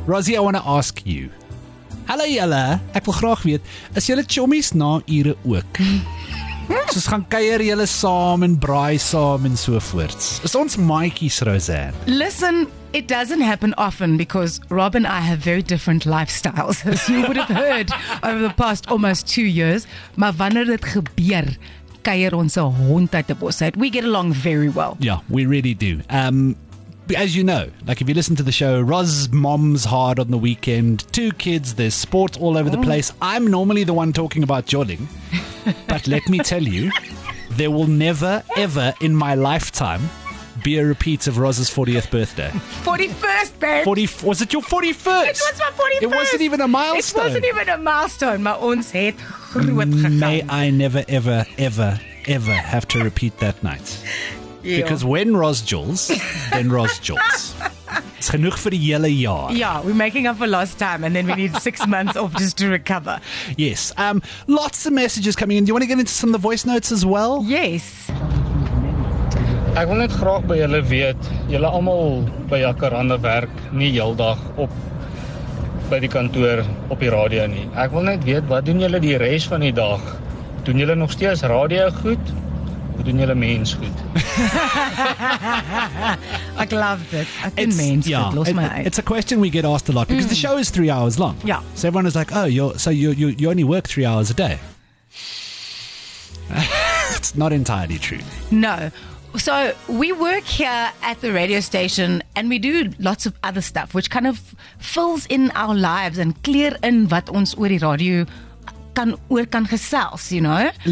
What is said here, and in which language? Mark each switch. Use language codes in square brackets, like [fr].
[af] Rosie, [en] I want to ask you. [af] Hallo julle, ek wil graag weet, is julle chommies na ure ook? Soos gaan kuier julle saam en braai saam en so voorts. Is ons maatjies, Rozanne? [en] Listen, it doesn't happen often because Rob and I have very different lifestyles, as you would have heard over the past almost 2 years. [af] Maar wanneer dit gebeur, kuier ons 'n hond uit 'n bos uit. [en] We get along very well. Yeah, we really do. As you know, like if you listen to the show, Roz moms hard on the weekend, 2 kids, there's sports all over the place. I'm normally the one talking about jodding, but let me tell you, there will never, ever in my lifetime be a repeat of Roz's 40th birthday. 41st, babe! Was it your 41st? It was my 41st! It wasn't even a milestone. It wasn't even a milestone, [af] maar ons het groot gegaan. [en] May I never, ever, ever, ever have to repeat that night. Yeah. Because when Roz jules, then Roz jules. It's genoeg for the [af] hele jaar. [en] Yeah, we're making up for lost time and then we need 6 months off just to recover. Yes. Lots of messages coming in. Do you want to get into some of the voice notes as well? Yes. [af] Ek wil net graag by julle weet, julle almal by Jacaranda werk nie heeldag op by die kantoor op die radio nie. Ek wil net weet, wat doen julle die res van die dag? Doen julle nog steeds radio goed? Hoe doen julle mens goed? [en] I love it. I think it's good. It's a question we get asked a lot because the show is 3 hours long. Yeah. So everyone is like, you only work 3 hours a day. It's not entirely true. No. So we work here at the radio station and we do lots of other stuff which kind of fills in our lives and clear in [af] wat ons oor die radio kan gesels, [en] you know?